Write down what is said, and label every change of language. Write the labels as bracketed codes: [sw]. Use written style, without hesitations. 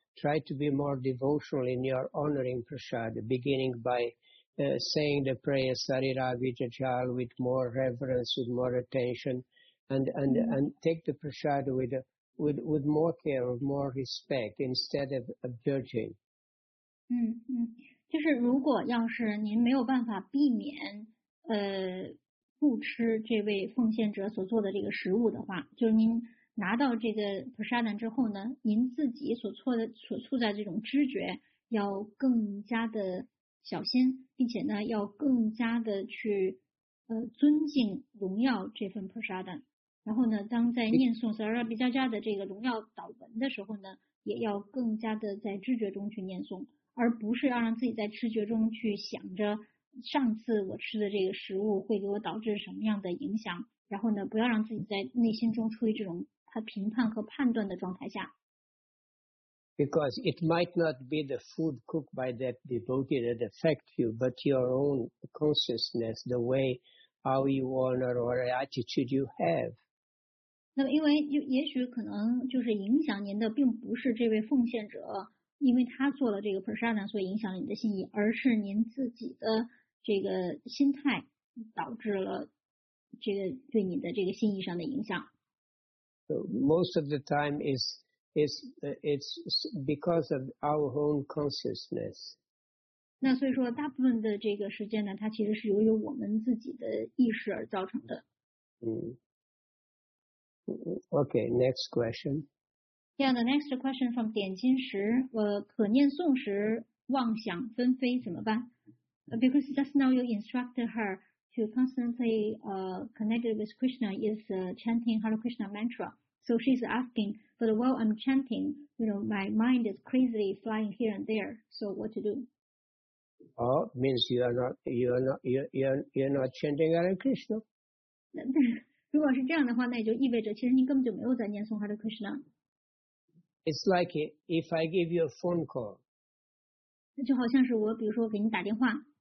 [en] Try to be more devotional in your honoring prasada, beginning by... saying the prayer Sarira Vijajal with more reverence, with more attention, and take the prasada with more care, with more respect, instead of judging. [zh] 就是如果要是您没有办法避免不吃这位奉献者所做的这个食物的话，就是您拿到这个prasada之后呢，您自己所处在这种知觉要更加的小心，并且呢，要更加的去尊敬、荣耀这份 prasada。然后呢，当在念诵 Sarira Vijaja 的这个荣耀祷文的时候呢，也要更加的在知觉中去念诵，而不是要让自己在知觉中去想着上次我吃的这个食物会给我导致什么样的影响。然后呢，不要让自己在内心中处于这种评判和判断的状态下。 [en] Because it might not be the food cooked by that devotee that affects you, but your own consciousness, the way how you honor or attitude you have. [zh] 那么因为也许可能就是影响您的并不是这位奉献者，因为他做了这个 prasada 所以影响了你的心意，而是您自己的这个心态导致了这个对你的这个心意上的影响。 [en] So most of the time it's because of our own consciousness. [zh] 那所以说大部分的这个时间呢，它其实是由于我们自己的意识而造成的。 [en] Okay, next question. Yeah, the next question from 点金石， [zh] 可念诵时妄想纷飞怎么办？ [en] Because just now you instructed her to constantly connected with Krishna is chanting Hare Krishna mantra. So she's asking, but while I'm chanting, you know, my mind is crazily flying here and there. So what to do? Oh, it means you are not chanting Hare Krishna. [zh] 如果是这样的话，那也就意味着其实你根本就没有在念诵 Hare Krishna. [en] It's like if I give you a phone call. [zh] 那就好像是我，比如说给你打电话。